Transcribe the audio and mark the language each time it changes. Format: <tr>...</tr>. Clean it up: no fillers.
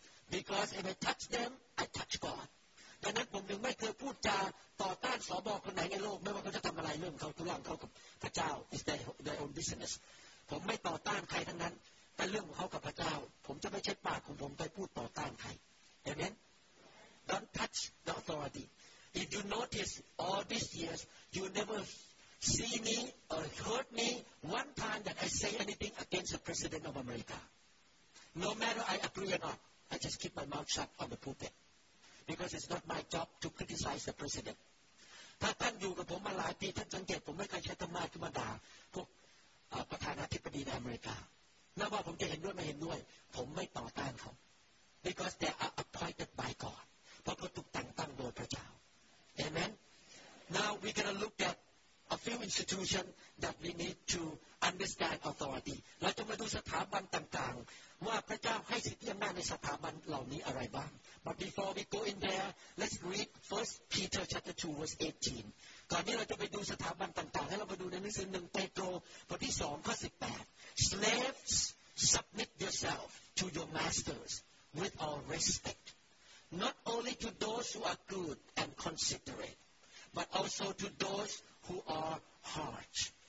<en>Because if I touch them, I touch God.</en> <th>ดังนั้นผมไม่เคยพูดจาต่อต้านสบคนไหนในโลกไม่ว่าเขาจะทำอะไรเรื่องเขาทุรังเขากับพระเจ้า</th> <en>It's their own business.</en> <th>ผมไม่ต่อต้านใครทั้งนั้นแต่เรื่องของเขากับพระเจ้าผมจะไม่ใช้ปากของผมไปพูดต่อต้านใคร Amen?</th> <en>Don't touch the authority. If you notice all these years, you neverSee me or heard me one time that I say anything against the president of America. No matter I agree or not, I just keep my mouth shut on the pulpit. Because it's not my job to criticize the president.</en> <th>ถ้าท่านอยู่กับผมมาหลายปีท่านสังเกตผมไม่เคยใช้ธรรมะธรรมดาพวกประธานาธิบดีในอเมริกาไม่ว่าผมจะเห็นด้วยไม่เห็นด้วยผมไม่ต่อต้านเขา</th> <en>Because they are appointed by God.</en> <th>เพราะเขาถูกแต่งตั้งโดยพระเจ้า Amen?</th> <en>Now we're going to look atA few institutions that we need to understand authority.</en> <th>เราจะมาดูสถาบันต่างๆว่าพระเจ้าให้สิทธิอำนาจในสถาบันเหล่านี้อะไรบ้าง</th> <en>But before we go in there, let's read 1 Peter chapter 2 verse 18.</en> <th>ก่อนที่เราจะไปดูสถาบันต่างๆให้เรามาดูในหนังสือ1เปโตรบทที่2ข้อ18</th> <en>Slaves, submit yourself to your masters with all respect, not only to those who are good and considerate, but also to thoseWho are harsh?</en>